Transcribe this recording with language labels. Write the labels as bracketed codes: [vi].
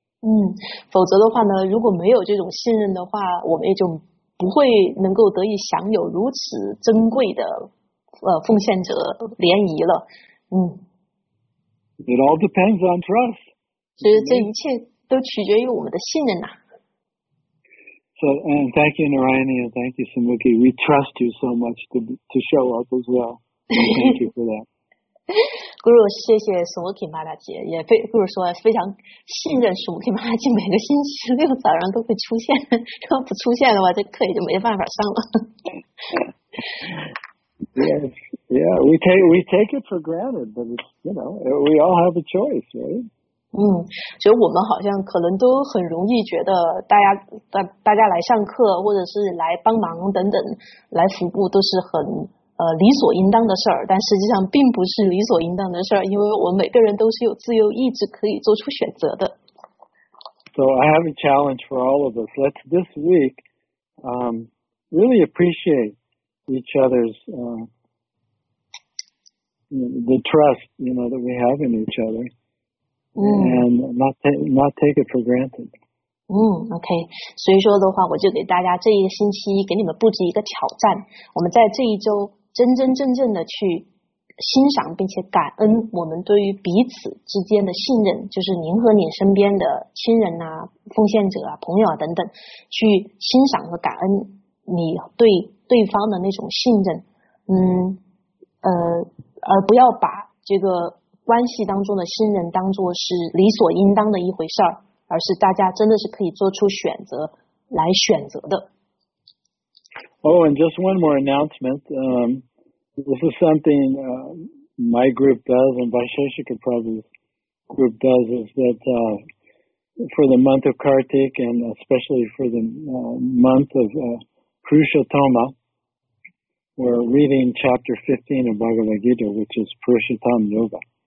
[zh] 嗯，否则的话呢，如果没有这种信任的话，我们也就不会能够得以享有如此珍贵的奉献者联谊了。嗯。 [en] It all depends on trust. [zh] 其实这一切都取决于我们的信任呐。 [en] So, and thank you, Narayani, and thank you, Sumukhi. We trust you so much to show up as well. Thank you for that. [zh] Guru, 谢谢 Sumukhi 妈大姐，也非 Guru 说非常信任 Sumukhi 妈大姐，每个星期六早上都会出现，如果不出现的话，这课也就没办法上了。 [en] Yes, yeah, we take it for granted, but it's, you know, we all have a choice, right? [zh] 嗯，所以我们好像可能都很容易觉得大家来上课或者是来帮忙等等来服务都是很理所应当的事儿，但实际上并不是理所应当的事儿，因为我们每个人都是有自由意志可以做出选择的。 [en] So I have a challenge for all of us. Let's this week, really appreciate each other's the trust you know that we have in each other. And not take it for granted. 嗯 ，OK. [zh] 所以说的话，我就给大家这一星期给你们布置一个挑战。我们在这一周真真正正的去欣赏并且感恩我们对于彼此之间的信任，就是您和你身边的亲人啊、奉献者啊、朋友啊等等，去欣赏和感恩你对对方的那种信任。嗯，而不要把这个。关系当中的信任当作是理所应当的一回事儿，而是大家真的是可以做出选择来选择的。 [en] Oh, and just one more announcement. This is something my group does, and Vaisheshika Prabhu's group does, is that for the month of Kartik, and especially for the month of Purushottama, we're reading chapter 15 of Bhagavad Gita, which is Purushottam Yoga.